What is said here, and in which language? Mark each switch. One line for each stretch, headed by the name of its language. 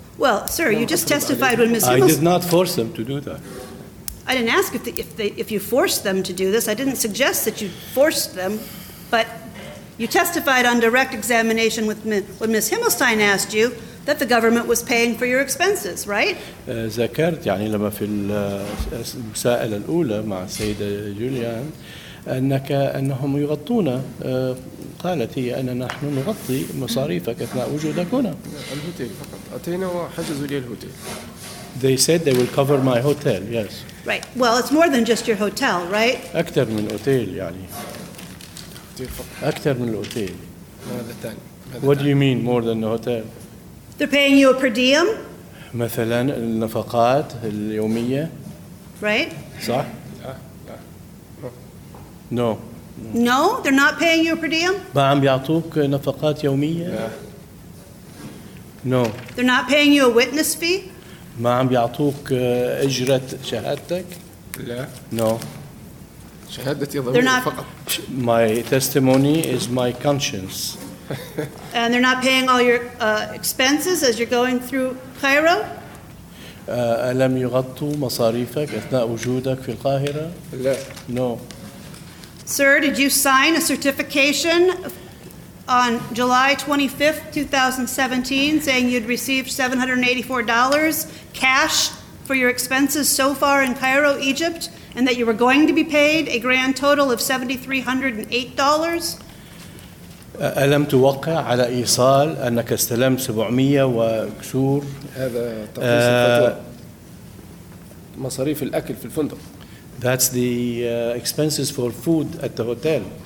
English: Well, sir, you just testified when Ms. I did not force them to do that. I didn't ask if you forced them to do this. I didn't suggest that you forced them, but. You testified on direct examination with when Ms. Himmelstein asked you that the government was paying for your expenses, right?
Arabic: ذكرت يعني لما في المسائلة الأولى مع السيدة جوليان أنهم يغطون قالت هي أن نحن نغطي مصاريفك أثناء وجودك هنا. الهوتيل فقط أتينا وحجزوا لي الهوتيل.
English: They said they will cover my hotel. Yes. Right. Well, it's more than just your hotel, right?
Arabic: أكثر من أوتيل يعني. أكثر من الأوتيل.
English: What do you mean more than the hotel? They're paying you a per diem.
Arabic: مثلاً النفقات اليومية.
English: Right.
Arabic: صح.
English: No. No, they're not paying you a per diem.
Arabic: بعم بيعطوك نفقات يومية.
English: No. They're not paying you a witness fee.
Arabic: ما عم بيعطوك أجرة شهادتك. لا.
English: No. They're not. My testimony is my conscience. And they're not paying all your expenses as you're going through Cairo.
Arabic: ألم يغطوا مصاريفك أثناء وجودك في القاهرة؟ لا.
English: No. Sir, did you sign a certification on July 25th, 2017, saying you'd received $784 cash for your expenses so far in Cairo, Egypt? And that you were going to be paid a grand total of $7,308.
Arabic: ألم توقع على إيصال أنك استلمت 700 وكسور؟ هذا مصاريف الأكل في الفندق.
English: That's the expenses for food at the hotel.